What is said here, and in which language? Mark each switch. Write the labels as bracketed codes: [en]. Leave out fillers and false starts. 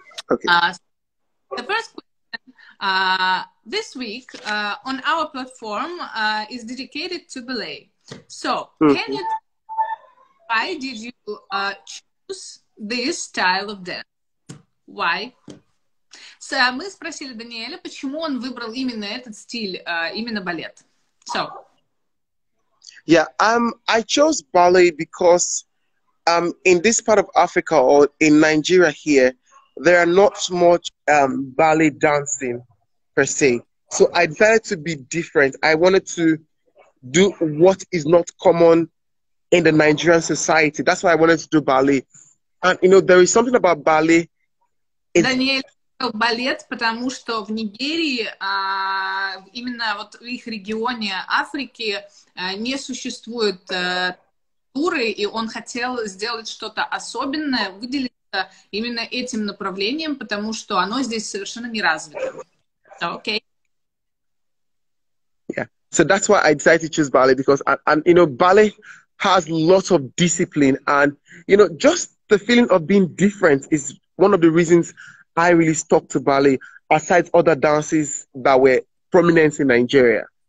[en] Okay. The first question this week on our platform is dedicated to ballet. So, can you tell me why did you choose this style of dance? Why? [ru] So, мы спросили Даниэля, почему он выбрал именно этот стиль, именно балет. [en] So. Yeah, I chose ballet because in this part of Africa or in Nigeria here, there are not much ballet dancing per se. So I decided to be different. I wanted to do what is not common in the Nigerian society. That's why I wanted to do ballet. And you know, there is something about ballet. [ru] Балет, потому что в Нигерии, именно вот в их регионе Африки, не существует культуры, и он хотел сделать что-то особенное, выделиться именно этим направлением, потому что оно здесь совершенно не развито. [en] Okay. Yeah. So that's why I decided to choose ballet, because and you know, ballet has lots of discipline, and you know, just the feeling of being different is one of the reasons I really stuck to ballet, aside other dances that were prominent in Nigeria.